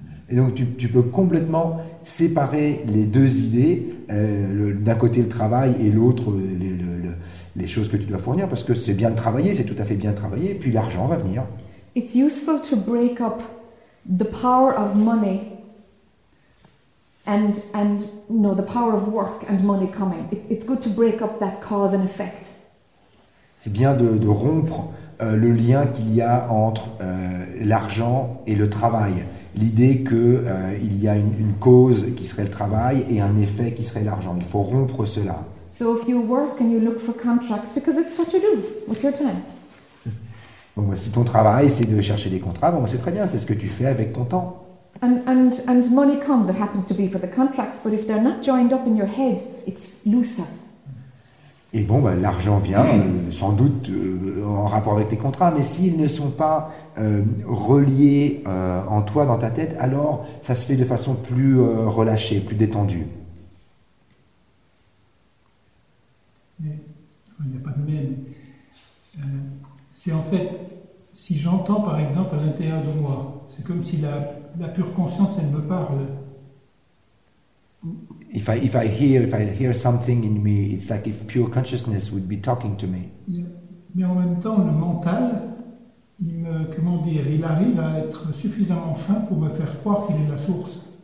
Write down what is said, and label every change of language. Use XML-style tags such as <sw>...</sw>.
<fr>Et donc tu peux complètement séparer les deux idées, d'un côté le travail et l'autre les choses que tu dois fournir, parce que c'est bien de travailler, c'est tout à fait bien de travailler, puis l'argent va venir.</fr> <en>It's useful to break up the power of money and you know, the power of work and money coming. It's good to break up that cause and effect.</en> <fr>C'est bien de rompre le lien qu'il y a entre l'argent et le travail. L'idée qu'il y a une cause qui serait le travail et un effet qui serait l'argent. Il faut rompre cela.</fr> <en>So if you work and you look for contracts, because it's what you do with your time.</en> <fr>Donc si ton travail c'est de chercher des contrats, bon, c'est très bien, c'est ce que tu fais avec ton temps.</fr> <en>And money comes, it happens to be for the contracts, but if they're not joined up in your head, it's looser.</en> <fr>Et bon, l'argent vient sans doute en rapport avec tes contrats, mais s'ils ne sont pas reliés en toi, dans ta tête, alors ça se fait de façon plus relâchée, plus détendue. Mais, il n'y a pas de même. C'est en fait, si j'entends par exemple à l'intérieur de moi, c'est comme si la pure conscience, elle me parle.</fr> <en>If I hear something in me, it's like if pure consciousness would be talking to me.</en> <fr>Mais en même temps, le mental, il arrive à être suffisamment fin pour me faire croire qu'il est la source.</fr>